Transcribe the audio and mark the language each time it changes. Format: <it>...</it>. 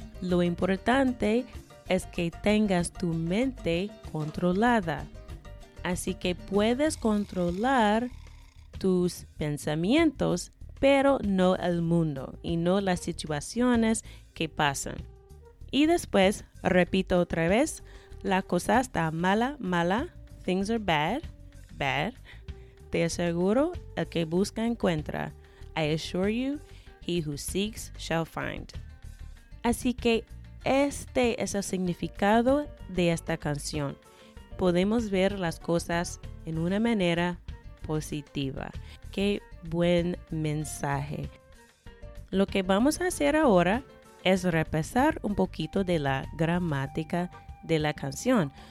<es>Lo importante es que tengas tu mente controlada, así que puedes controlar tus pensamientos, pero no el mundo y no las situaciones que pasan. Y después, repito otra vez, la cosa está mala, mala,</es> <en>things are bad, bad.</en> <es>Te aseguro, el que busca encuentra.</es> <en>I assure you, he who seeks shall find.</en> <es>Así que este es el significado de esta canción. Podemos ver las cosas en una manera positiva. Qué buen mensaje. Lo que vamos a hacer ahora es repasar un poquito de la gramática de la canción.</es>